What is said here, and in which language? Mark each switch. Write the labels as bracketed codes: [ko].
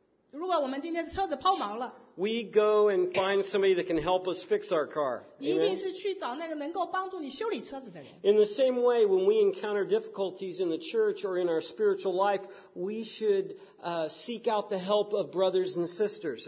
[zh] 如果我们今天车子抛锚了。 [en] We go and find somebody that can help us fix our car. [zh] 一定是去找那个能够帮助你修理车子的人。 [en] In the same way, when we encounter difficulties in the church or in our spiritual life, we should seek out the help of brothers and sisters.